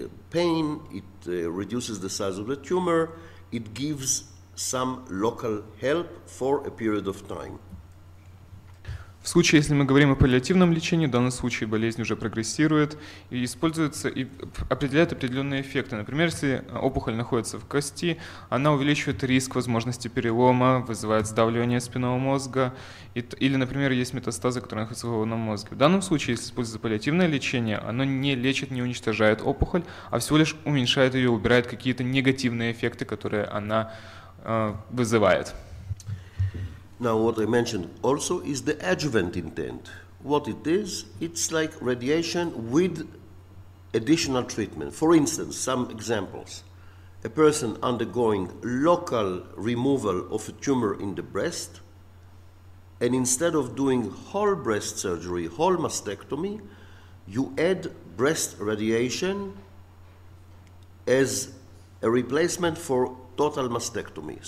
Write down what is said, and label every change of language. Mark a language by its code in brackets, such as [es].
[en] pain, it reduces the size of the tumor, it gives some local help for a period of time. [ru] В случае, если мы говорим о паллиативном лечении, в данном случае болезнь уже прогрессирует и используется и определяет определенные эффекты. Например, если опухоль находится в кости, она увеличивает риск возможности перелома, вызывает сдавливание спинного мозга или, например, есть метастазы, которые находятся в головном мозге. В данном случае, если используется паллиативное лечение, оно не лечит, не уничтожает опухоль, а всего лишь уменьшает ее, убирает какие-то негативные эффекты, которые она вызывает. [en] Now, what I mentioned also is the adjuvant intent. What it is, it's like radiation with additional treatment. For instance, some examples. A person undergoing local removal of a tumor in the breast, and instead of doing whole breast surgery, whole mastectomy, you add breast radiation as a replacement for total mastectomy.